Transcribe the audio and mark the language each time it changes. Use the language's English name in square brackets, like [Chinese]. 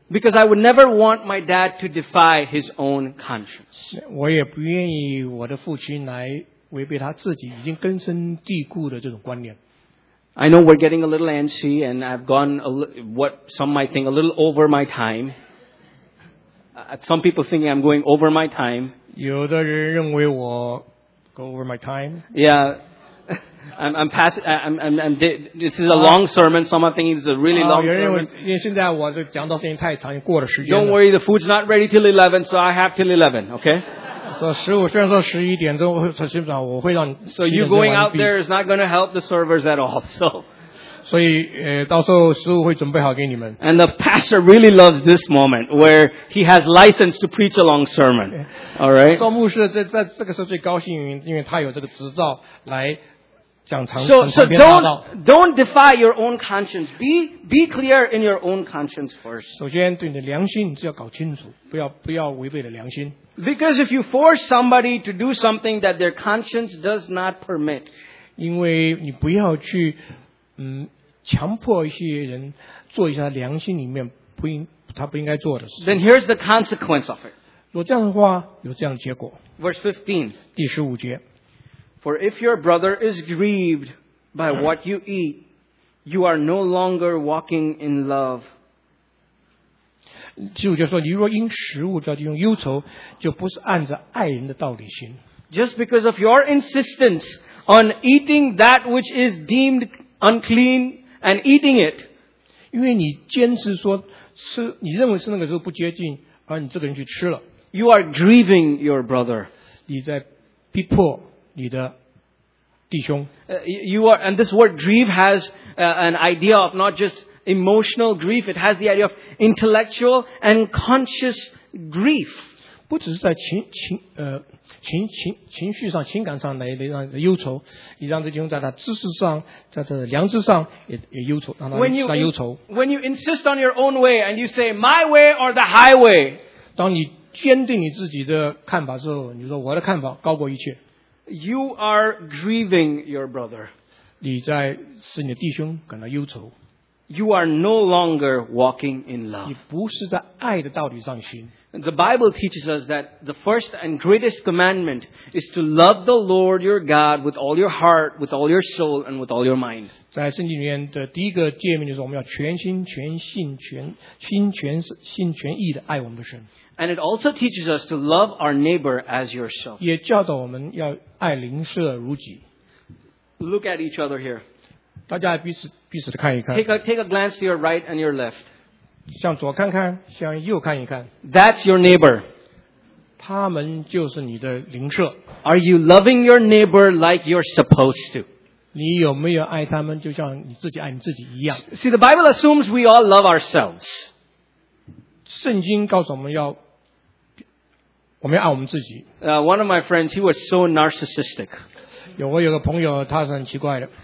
[English] Because I would never want my dad to defy his own conscience. [Chinese] 我也不愿意我的父亲来违背他自己已经根深蒂固的这种观念。 [English] I know we're getting a little antsy and I've gone what some might think a little over my time. Some people think I'm going over my time. [Chinese] 有的人认为我 [English] go over my time. Yeah. This is a long sermon. Some are thinking it's a really long sermon. [Chinese] 因为现在我这讲到时间太长，过了时间 [English] 了。Don't worry, the food's not ready till 11, so I have till 11, okay? [Chinese] So 15, 虽然说11点钟，实际上我会让。 [English] So you going out there is not going to help the servers at all, so. [Chinese] 所以到时候食物会准备好给你们。 [English] And the pastor really loves this moment where he has license to preach a long sermon. All right. [Chinese] 做牧师在这个时候最高兴，因为他有这个执照来。 [English] So don't defy your own conscience. Be clear in your own conscience first. [Chinese] 首先对你的良心你就要搞清楚，不要违背了良心。 [English] Because if you force somebody to do something that their conscience does not permit, [Chinese] 因为你不要去强迫一些人做一下良心里面他不应该做的事。 [English] Then here's the consequence of it. [Chinese] 若这样的话，有这样的结果。 [English] Verse 15. [Chinese] 第十五节。 [English] For if your brother is grieved by what you eat, you are no longer walking in love. [Chinese] 十五节说，你若因食物着急用忧愁，就不是按着爱人的道理行。 [English] Just because of your insistence on eating that which is deemed unclean and eating it. [Chinese] 因为你坚持说吃，你认为是那个时候不洁净，而你这个人去吃了。 [English] You are grieving your brother. [Chinese] 你在逼迫。你的弟兄 [English] you are, and this word grieve has an idea of not just emotional grief, it has the idea of intellectual and conscious grief. [Chinese] 不只是在情绪上情感上来让他忧愁，你让这弟兄在他知识上在他的良知上 也忧愁，让他忧愁。 [English] When you insist on your own way and you say my way or the highway, [Chinese] 当你坚定你自己的看法之后，你说我的看法高过一切。 [English] You are grieving your brother. [Chinese] 你在使你的弟兄感到忧愁。 [English] You are no longer walking in love. [Chinese] 你不是在爱的道理上行。 [English] The Bible teaches us that the first and greatest commandment is to love the Lord your God with all your heart, with all your soul, and with all your mind. [Chinese] 在圣经里面的第一个诫命就是我们要全心全性全心全心全意的爱我们的神。 [English] And it also teaches us to love our neighbor as yourself. [Chinese] 也教导我们要爱邻舍如己。 [English] Look at each other here. [Chinese] 大家彼此的看一看。 [English] Take a glance to your right and your left. [Chinese] 向左看看，向右看一看。 [English] That's your neighbor. [Chinese] 他们就是你的邻舍。 [English] Are you loving your neighbor like you're supposed to? [Chinese] 你有没有爱他们就像你自己爱你自己一样？ [English] See, the Bible assumes we all love ourselves. [Chinese] 圣经告诉我们要，我们要爱我们自己。 [English] One of my friends, he was so narcissistic. [Chinese] 我有个朋友，他是很奇怪的。